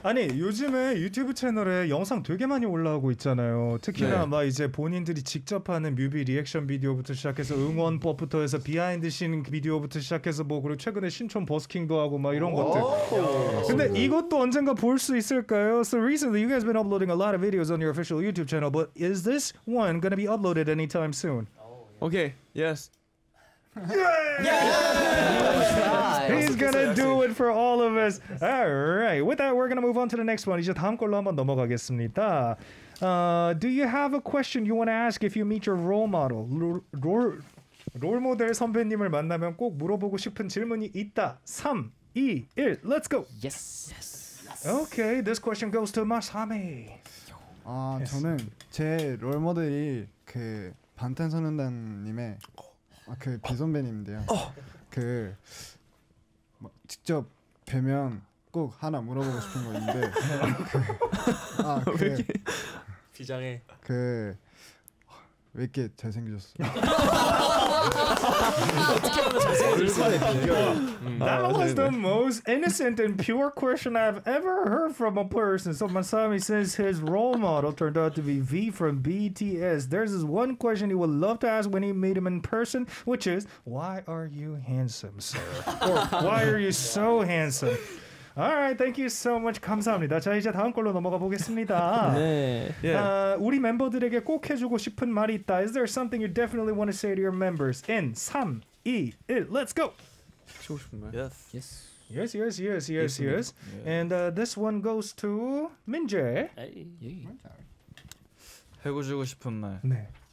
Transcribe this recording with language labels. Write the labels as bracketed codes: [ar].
[ko] 아니 요즘에 유튜브 채널에 영상 되게 많이 올라오고 있잖아요. 특히나 네. 막 이제 본인들이 직접 하는 뮤비 리액션 비디오부터 시작해서 응원법부터 해서 비하인드 씬 비디오부터 시작해서 뭐 그리고 최근에 신촌 버스킹도 하고 막 이런 것들. 근데 이것도 언젠가 볼 수 있을까요? [en] So recently you guys been uploading a lot of videos on your official YouTube channel, but is this one gonna be uploaded anytime soon? Okay. Yes. Yeah! Yeah! He's gonna do it for all of us. All right. With that, we're gonna move on to the next one. [ko] 이제 다음 걸로 한번 넘어가겠습니다. [en] Do you have a question you want to ask if you meet your role model? [ko] 롤 모델 선배님을 만나면 꼭 물어보고 싶은 질문이 있다. [en] 3, 2, 1. Let's go. Yes. Yes. Okay. This question goes to Masami. [ko] 아, 저는 제 롤 모델이 그 방탄소년단님의 아, 그 비선배님인데요. 그 뭐, 직접 뵈면 꼭 하나 물어보고 싶은 거 있는데. 아, 그, 왜 이렇게 비장해? 그 왜 이렇게 잘생겨졌어? 어떻게 하면 잘생겨졌어? [en] That was the most innocent and pure question I've ever heard from a person. So Masami, since his role model turned out to be V from BTS, there's this one question he would love to ask when he meet him in person, which is, why are you handsome, sir? Or why are you so handsome? Alright, thank you so much. [ko] 감사합니다. 자, 이제 다음 걸로 넘어가 보겠습니다. 네. [en] Yeah. [ko] 우리 멤버들에게 꼭 해주고 싶은 말이 있다. [en] Is there something you definitely want to say to your members? In 3, 2, 1, let's go! [ko] 해주고 싶은 말? [en] Yes. Yes. Yes, yes, yes, yes, yes. yes. yes. And this one goes to Minjae. Hey. [ko] 해주고 싶은 말. 네.